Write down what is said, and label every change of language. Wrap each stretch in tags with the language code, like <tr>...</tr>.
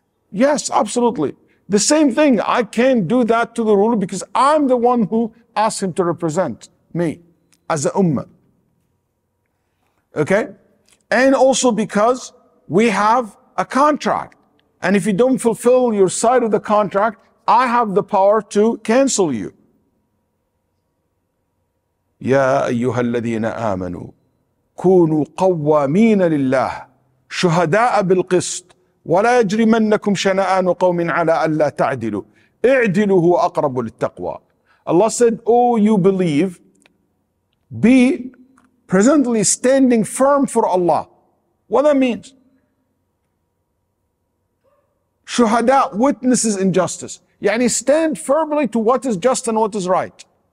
<en>Yes, absolutely. The same thing. I can't do that to the ruler because I'm the one who asked him to represent me as an ummah. Okay? And also because we have a contract. And if you don't fulfill your side of the contract, I have the power to cancel you.</en> <ar>يا أيها الذين آمنوا كونوا قوامين لله شهداء بالقسط ولا يجرمنكم شنآن قوم على ألا تعدلوا اعدلوا هو أقرب للتقوى.</ar> <en>Allah said, oh, you believe, be presently standing firm for Allah. What that means? Shuhada, witnesses injustice. Yani stand firmly to what is just and what is right.</en>